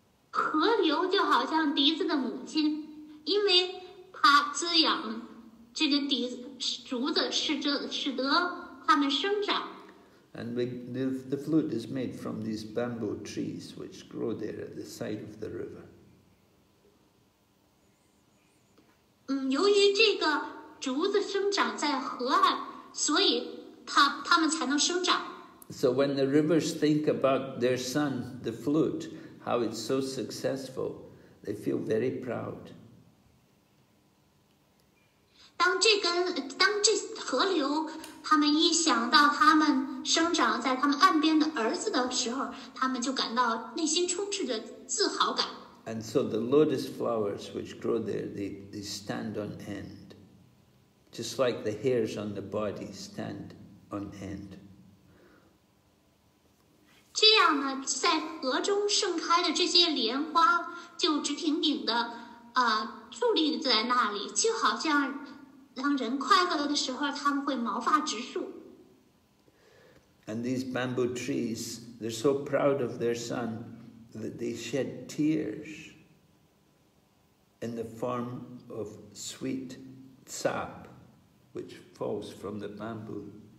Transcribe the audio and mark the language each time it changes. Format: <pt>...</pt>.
<zh>河流就好像笛子的母亲，因为它滋养这个笛子竹子，使得它们生长。</zh> <en>And the flute is made from these bamboo trees which grow there at the side of the river.</en> <zh>由于这个竹子生长在河岸。所以他们才能生长。</zh> <en>So when the rivers think about their son, the flute, how it's so successful, they feel very proud.</en> <zh>当这河流，他他们一想到他们生长在他们岸边的儿子的时候，他们就感到内心充斥着自豪感。</zh> <en>And so the lotus flowers which grow there, they stand on end, just like the hairs on the body stand on end.</en> <zh>这样呢，在河中盛开的这些莲花就直挺挺的，伫立在那里，就好像。当人快乐的时候，他们会毛发直竖。</zh> <en>And these bamboo trees, they're so proud of their son that they shed tears in the form of sweet sap, which falls from the bamboo.</en>